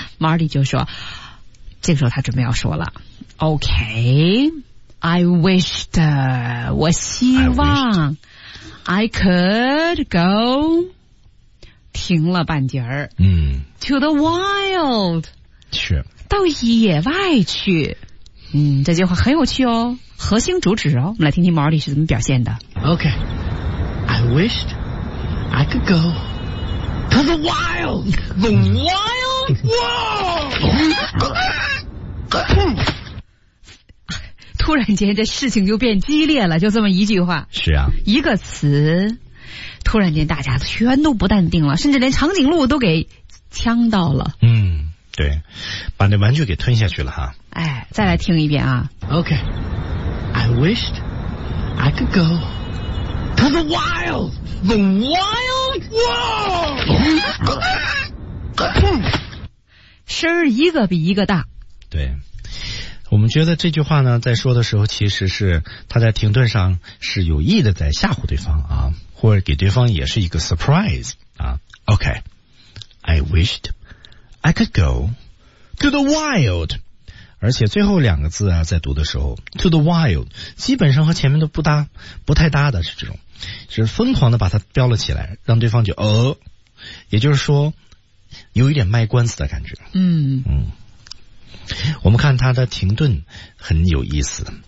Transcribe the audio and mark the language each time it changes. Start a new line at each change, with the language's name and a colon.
Chinese: ，Marty 就说，这个时候他准备要说了 ，
English: OK, I wished,
Chinese: 我希望
English: I could go.
Chinese: 停了半截儿，嗯
English: ，to the wild，
Chinese: 是到野外去，嗯，这句话很有趣哦，核心主旨哦，我们来听听 Marty 是怎么表现的。
English: Okay, I wished I could go to the wild, the wild world.
Chinese: 突然间，这事情就变激烈了，就这么一句话。是啊，一个词。突然间大家全都不淡定了，甚至连长颈鹿都给呛到了。嗯，对，把那玩具给吞下去了哈。哎，再来听一遍啊。
English: Okay, I wished I could go to the wild, the wild world.
Chinese: 声儿一个比一个大。对。我们觉得这句话呢，在说的时候，其实是他在停顿上是有意的在吓唬对方啊，或者给对方也是一个 surprise 啊。
English: Okay, I wished I could go to the wild.
Chinese: 而且最后两个字啊，在读的时候
English: to the wild
Chinese: 基本上和前面都不搭，不太搭的是这种，是疯狂的把它标了起来，让对方就也就是说，有一点卖官司的感觉。嗯嗯，我们看他的停顿很有意思。